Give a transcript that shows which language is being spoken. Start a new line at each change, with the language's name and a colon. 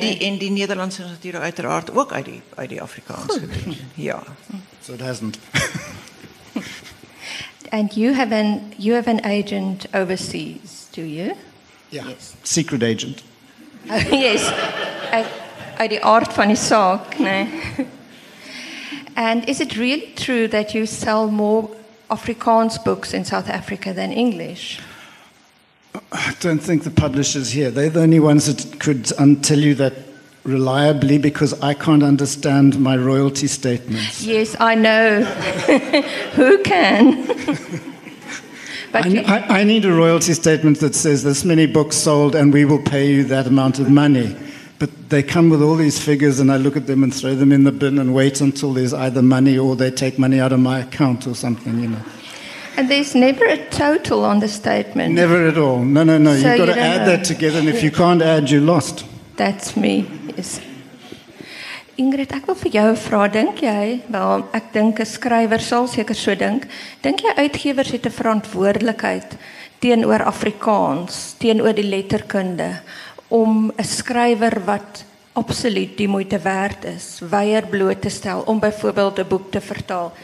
Afrikaans: In die Nederlandse is natuurlijk uiteraard ook uit die Afrikaans gedoen. Ja.
English: So it hasn't. And you have an agent overseas, do you? Yeah. Yes. Secret agent. Oh, yes.
Afrikaans: Uit die aard van die saak, nee.
English: And is it really true that you sell more Afrikaans books in South Africa than English? I don't think the publishers here. They're the only ones that could tell you that reliably, because I can't understand my royalty statements. Yes, I know. Who can? I need a royalty statement that says this many books sold and we will pay you that amount of money. But they come with all these figures and I look at them and throw them in the bin and wait until there's either money or they take money out of my account or something, you know. And there's never a total on the statement. Never at all. No. So you've got to add that together, and if you can't add, you're lost. That's me. Yes.
Afrikaans: Ingrid, ek wil vir jou vra, dink jy, wel, ek dink 'n skrywer sal seker so dink jy uitgewers het 'n verantwoordelikheid teenoor Afrikaans, teenoor die letterkunde, om 'n skrywer wat absoluut die moeite werd is, weier bloot te stel, om byvoorbeeld 'n boek te vertaal.